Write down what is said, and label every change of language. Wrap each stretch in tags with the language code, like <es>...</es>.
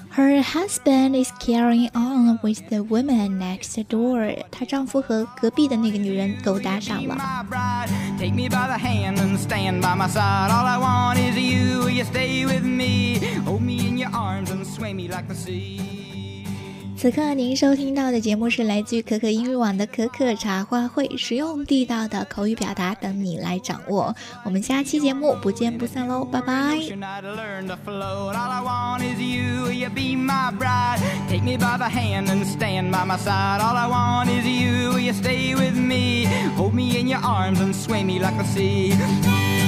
<en>Her husband is carrying on with the woman next door.</en> <zh>她丈夫和隔壁的那个女人勾搭上了。</zh> <en>Take me by the hand and stand by my side. All I want is you, will you stay with me? Hold me in your arms and sway me like the sea.</en> <zh>此刻您收听到的节目是来自于可可英语网的可可茶话会，实用地道的口语表达等你来掌握。我们下期节目不见不散喽，拜拜。</zh> <en>All I want is you, you be my bride. Take me by the hand and stand by my side. All I want is you, you stay with me. Hold me in your arms and sway me like the sea.</en>